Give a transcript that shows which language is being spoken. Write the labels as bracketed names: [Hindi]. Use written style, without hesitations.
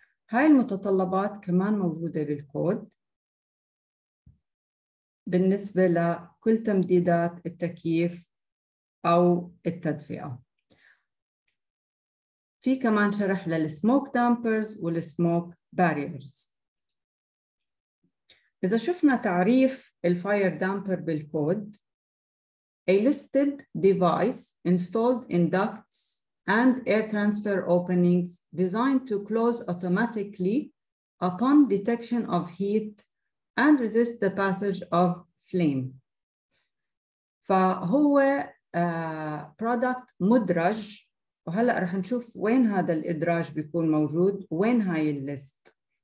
[Arabic] هاي المتطلبات كمان موجودة بالكود بالنسبة لكل تمديدات التكييف أو التدفئة. في كمان شرح للسموك دامبرز والسموك باريرز. إذا شفنا تعريف الفاير دامبر بالكود: [English] A listed device installed in ducts and air transfer openings designed to close automatically upon detection of heat and resist the passage of flame. [Arabic] فهو product مدرج، وهلأ رح نشوف وين هذا الإدراج بيكون موجود، وين هاي الليست.